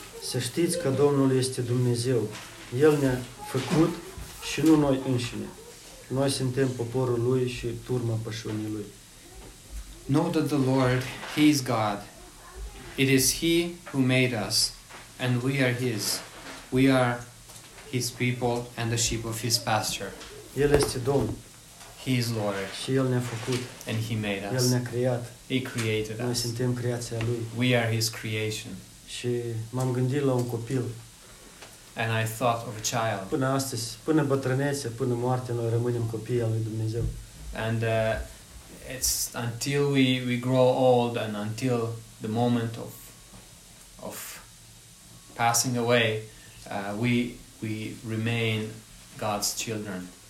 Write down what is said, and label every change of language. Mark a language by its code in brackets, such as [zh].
[ro] Să știți că Domnul este Dumnezeu. El ne-a făcut și nu noi înșine. Noi suntem poporul Lui și turma pășunii Lui. [en] Know that the Lord, He is God. It is He who made us, and we are His. We are His people and the sheep of His pasture. [ro] El este Domn. [en] He is Lord. [ro] Și El ne-a făcut. [en] And He made us. [ro] El ne-a creat. [en] He created us. [ro] Noi suntem creația Lui. [en] We are His creation. [ro] Și m-am gândit la un copil. [en] And I thought of a child. [ro] Până astăzi, până bătrânețe, până moarte, noi rămânem copii al lui Dumnezeu. [en] And it's until we grow old and until the moment of passing away, we remain God's children.